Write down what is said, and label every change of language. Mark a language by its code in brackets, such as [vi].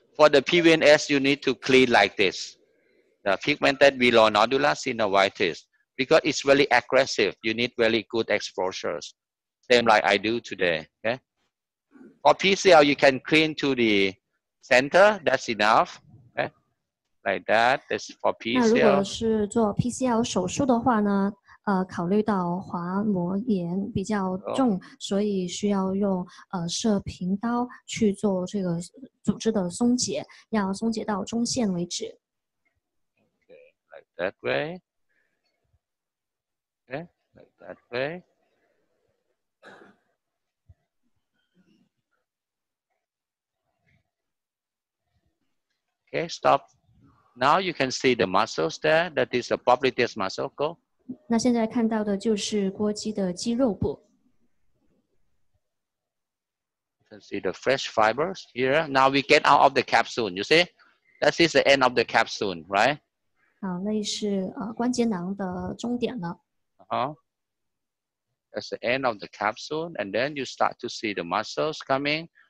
[en] For the PVNS, you need to clean like this. The pigmented below nodula synovitis, because it's really aggressive. You need really good exposures. Same like I do today, okay? For PCL, you can clean to the center. That's enough. Okay. Like that. That's for PCL. [zh] 那如果是做 PCL 手术的话呢，考虑到滑膜炎比较重，所以需要用射频刀去做这个组织的松解，要松解到中线为止。Okay, [en] like that way. Okay, like that way. Okay, stop. Now you can see the muscles there. That is the popliteus muscle. Go. [zh] 那现在看到的就是腘肌的肌肉部. [en] You can see the fresh fibers here. Now we get out of the capsule. You see, that is the end of the capsule, right? [zh] 好，那是关节囊的终点了. Uh-huh. [en] That's the end of the capsule, and then you start to see the muscles coming.